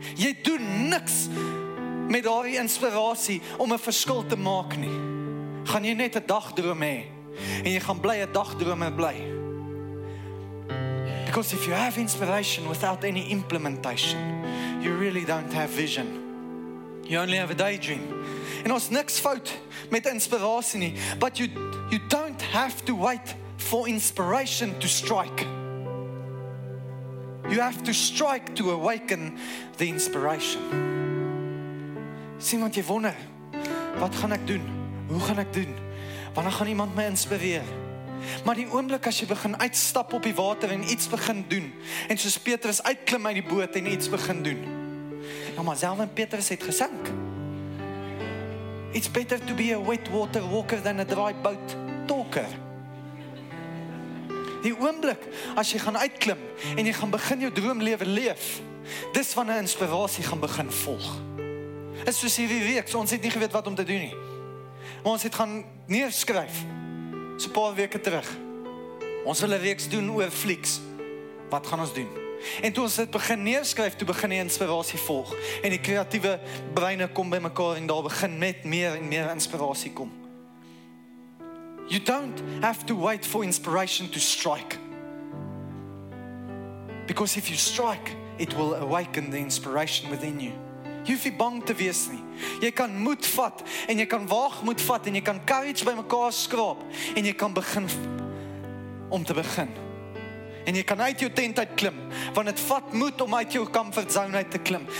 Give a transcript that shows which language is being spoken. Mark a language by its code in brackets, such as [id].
[af] Jy doen niks met daardie inspirasie om 'n verskil te maak nie. Gaan jy net 'n dagdroom hê en jy gaan bly 'n dagdromer bly. [en] Because if you have inspiration without any implementation, you really don't have vision. You only have a daydream. [af] En ons niks fout met inspirasie nie. [en] But you don't have to wait for inspiration to strike. You have to strike to awaken the inspiration. [af] Sien, want jy wonder, wat gaan ek doen? Hoe gaan ek doen? Wanneer gaan iemand my inspireer? Maar die oomblik as jy begin uitstap op die water en iets begin doen, en soos Petrus uitklim uit die boot en iets begin doen, nou maar Zelf en Petrus het gesink. [en] It's better to be a wet water walker than a dry boat talker. [af] Die oomblik as jy gaan uitklim en jy gaan begin jou droomlewe leef, dis wanneer inspirasie gaan begin volg. Is soos hierdie week, so ons het nie geweet wat om te doen nie. Maar ons het gaan neerskryf so 'n paar weke terug. Ons wil 'n reeks doen oor flieks. Wat gaan ons doen? En toe ons dit begin neerskryf, toe begin die inspirasie volg. En die kreatiewe breine kom by mekaar en daar begin met meer en meer inspirasie kom. [en] You don't have to wait for inspiration to strike. Because if you strike, it will awaken the inspiration within you. [af] Jy hoef nie bang te wees nie. Jy kan moed vat en jy kan waagmoed vat en jy kan courage by mekaar skraap en jy kan begin om te begin. En jy kan uit jou tent uit klim, want het vat moed om uit jou comfort zone uit te klim.